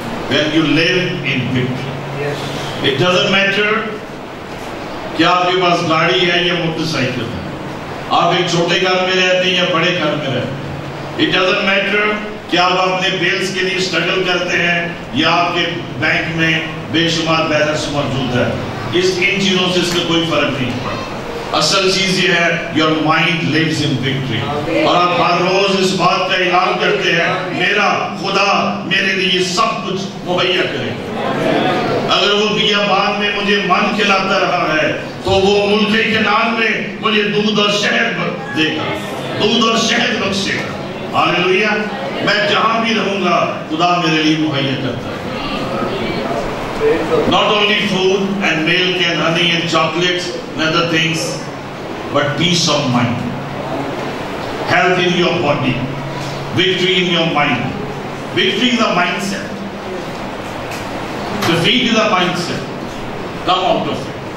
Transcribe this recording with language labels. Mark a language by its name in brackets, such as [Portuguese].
[English] When you live in victory, it doesn't matter [Urdu] کیا آپ کے پاس گاڑی ہے یا موٹر سائیکل ہے, آپ ایک چھوٹے گھر میں رہتے ہیں یا بڑے گھر میں رہتے ہیں, [English] it doesn't matter [Urdu] کیا آپ اپنے بلز کے لیے اسٹرگل کرتے ہیں یا آپ کے بینک میں بے شمار بیلنس موجود ہے, اس ان چیزوں سے اس کا کوئی فرق نہیں پڑتا. اصل چیز یہ ہے [English] your mind lives in victory. [Urdu] اور آپ ہر روز اس بات کا اعلان کرتے ہیں میرا خدا میرے لیے سب کچھ مہیا کرے گا. اگر وہ بیابان میں مجھے من کھلاتا رہا ہے تو وہ ملک کے نام میں مجھے دودھ اور شہد دے گا, دودھ اور شہد بخشے گا. ہللویہ. میں جہاں بھی رہوں گا خدا میرے لیے مہیا کرتا ہے. [English] Not only food and milk and honey and chocolates and other things, but peace of mind. Health in your body. Victory in your mind. Victory is a mindset. Defeat is a mindset. Come out of it.